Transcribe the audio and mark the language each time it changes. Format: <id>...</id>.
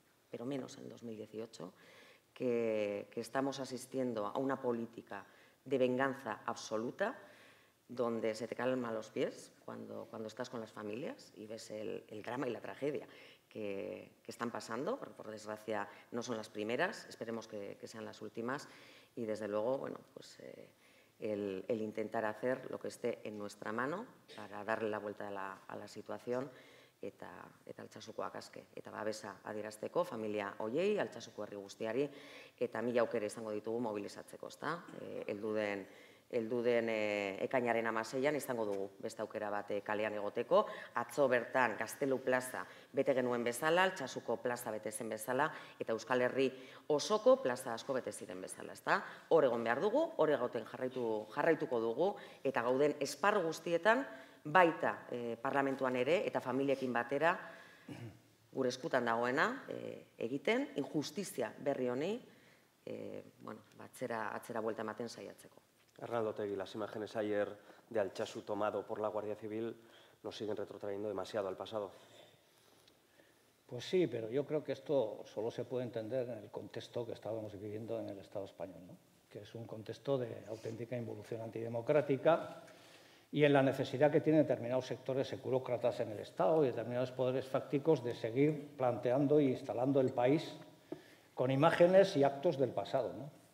<es>pero menos en 2018, que estamos asistiendo a una política de venganza absoluta donde se te calman los pies cuando estás con las familias y ves el drama y la tragedia que están pasando, porque por desgracia no son las primeras, esperemos que sean las últimas y desde luego, bueno, pues el intentar hacer lo que esté en nuestra mano para darle la vuelta a la situación</es> <eu>eta Altsasukoak aske, eta babesa adierazteko familia hoiei, Altsasuko herri guztiari, eta mila aukere izango ditugu mobilizatzeko, ezta? Elduden ekainaren 16an izango dugu beste aukera bat kalean egoteko, atzo bertan Gaztelu plaza bete genuen bezala, Altsasuko plaza bete zen bezala, eta Euskal Herri osoko plaza asko bete ziren bezala, ezta? Hor egon behar dugu, hor egoten jarraituko dugu, eta gauden esparru guztietan, baita parlamentuan ere, eta familiekin batera, gure eskutan dagoena egiten, injustizia berri honi, atzera buelta ematen saiatzeko.</eu> <es>Arnaldo Otegi, las imágenes ayer de Altsaso tomado por la Guardia Civil nos siguen retrotrayendo demasiado al pasado. Pues sí, pero yo creo que esto solo se puede entender en el contexto que estábamos viviendo en el Estado español, ¿no? Que es un contexto de auténtica involución antidemocrática y en la necesidad que tienen determinados sectores securócratas en el Estado y determinados poderes fácticos de seguir planteando e instalando el país con imágenes y actos del pasado, ¿no?</es>